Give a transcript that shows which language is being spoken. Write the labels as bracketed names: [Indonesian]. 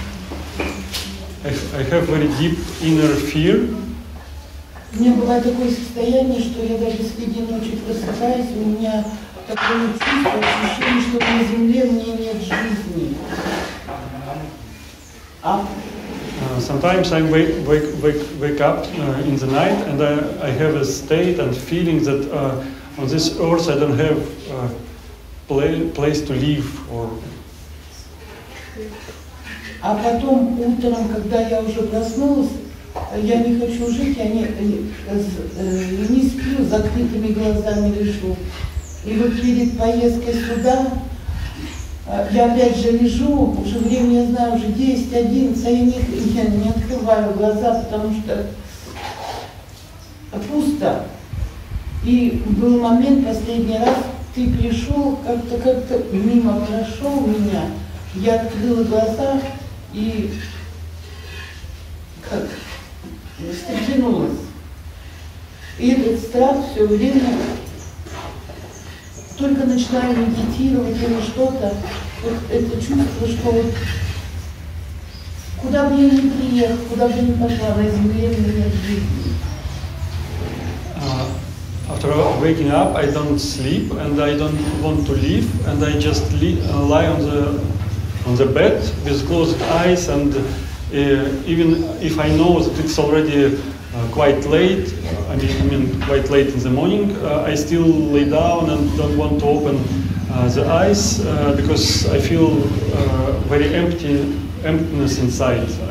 [English] I have very deep inner fear. [Russian] У меня бывает такое состояние, что я даже среди ночи просыпаюсь, у меня такое чувство, ощущение, что на земле мне нет жизни. [English] Sometimes I wake up in the night and I have a state and feeling that on this earth I don't have a place to live or. [Russian] А потом утром, когда я уже проснулась, я не хочу жить, я не сплю, закрытыми глазами лежу. И вот перед поездкой сюда я опять же лежу, уже время, я знаю, уже 10-11, а я не открываю глаза, потому что пусто. И был момент, последний раз, ты пришел, как-то мимо прошел меня, я открыла глаза и как встрепенулась. И этот страх все время, только начинаю медитировать или что-то, вот это чувство, что вот куда бы я ни приехал, куда бы я ни пошла, на земле у меня нет жизни. [English] After waking up, I don't sleep and I don't want to leave and I just lie on the bed with closed eyes and even if I know that it's already quite late in the morning, I still lay down and don't want to open the eyes because I feel very emptiness inside.